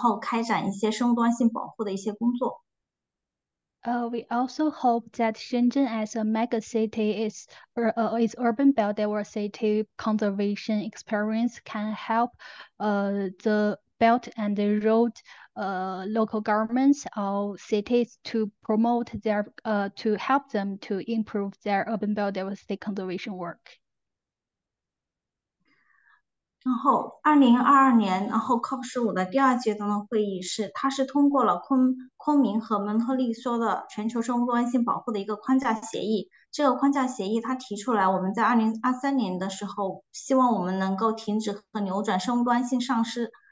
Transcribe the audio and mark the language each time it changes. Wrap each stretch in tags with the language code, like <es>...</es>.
<zh>对于这种超大城市的一个生物多样性保护的一些经验和一些东西，能够在"一带一路"国家帮助到他们，然后开展一些生物多样性保护的一些工作。</zh> <en>We also hope that Shenzhen as a megacity is urban biodiversity conservation experience can help the Belt and Road local governments or cities to help them to improve their urban biodiversity conservation work.</en> <zh>然后，2022年，然后COP15的第二阶段的会议是，它是通过了昆明和蒙特利说的全球生物多样性保护的一个框架协议。这个框架协议它提出来，我们在2023年的时候，希望我们能够停止和扭转生物多样性丧失。</zh>